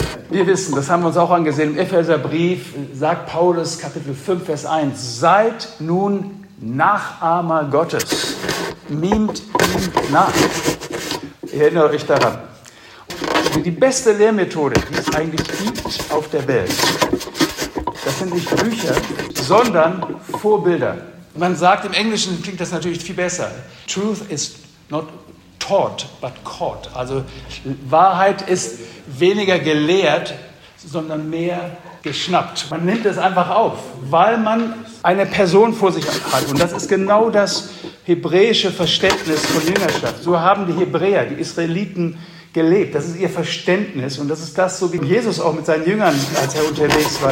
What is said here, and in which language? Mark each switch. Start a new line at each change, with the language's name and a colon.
German: Wir wissen, das haben wir uns auch angesehen, im Epheserbrief sagt Paulus, Kapitel 5, Vers 1, seid nun Nachahmer Gottes, mimt ihn nach. Erinnert euch daran. Die beste Lehrmethode, die es eigentlich gibt auf der Welt, das sind nicht Bücher, sondern Vorbilder. Man sagt, im Englischen klingt das natürlich viel besser.
English: Truth is not taught, but caught.
German: Also Wahrheit ist weniger gelehrt, sondern mehr geschnappt. Man nimmt es einfach auf, weil man eine Person vor sich hat. Und das ist genau das hebräische Verständnis von Jüngerschaft. So haben die Hebräer, die Israeliten, gelebt. Das ist ihr Verständnis und das ist das, so wie Jesus auch mit seinen Jüngern, als er unterwegs war.